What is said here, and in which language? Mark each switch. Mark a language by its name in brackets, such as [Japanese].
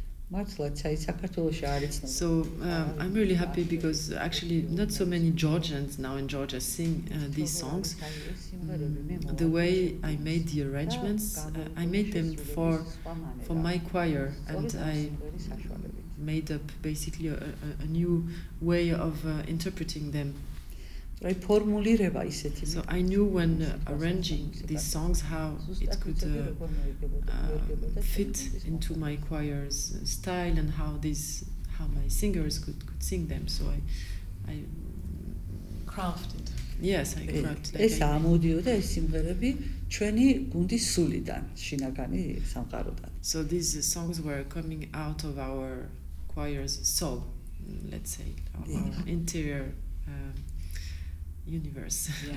[Georgian] მართლაც აი საქართველოში არ იცნობ [English] So I'm really happy because actually not so many Georgians now in Georgia sing these songs the way I made the arrangements I made them for my choir and I made up basically a new way of interpreting them. So I knew when arranging these songs how it could fit into my choir's style and how my singers could sing them. So I crafted. Yes, I crafted. [Georgian] ეს ამოდიოდა ეს სიმღერები ჩვენი გუნდის სულიდან, შინაგანი სამყაროდან. [English] So these songs were coming out of our choir's soul, let's say, our interior universe.